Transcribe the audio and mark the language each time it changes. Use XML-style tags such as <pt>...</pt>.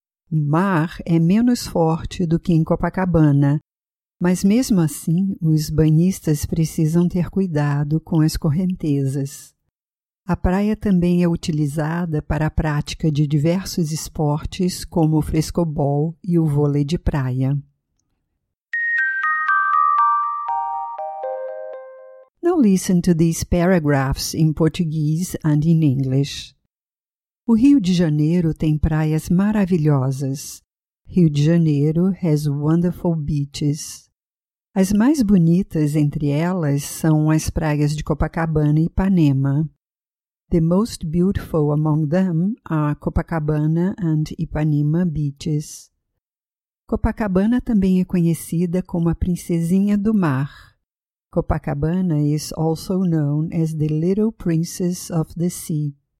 <pt>O mar é menos forte do que em Copacabana, mas mesmo assim, os banhistas precisam ter cuidado com as correntezas. A praia também é utilizada para a prática de diversos esportes, como o frescobol e o vôlei de praia.</pt> <en>Now listen to these paragraphs in Portuguese and in English.</en> <pt>O Rio de Janeiro tem praias maravilhosas.</pt> <en>Rio de Janeiro has wonderful beaches.</en> <pt>As mais bonitas entre elas são as praias de Copacabana e Ipanema.</pt> <en>The most beautiful among them are Copacabana and Ipanema beaches.</en> <pt>Copacabana também é conhecida como a Princesinha do Mar.</pt> <en>Copacabana is also known as the Little Princess of the Sea.</en>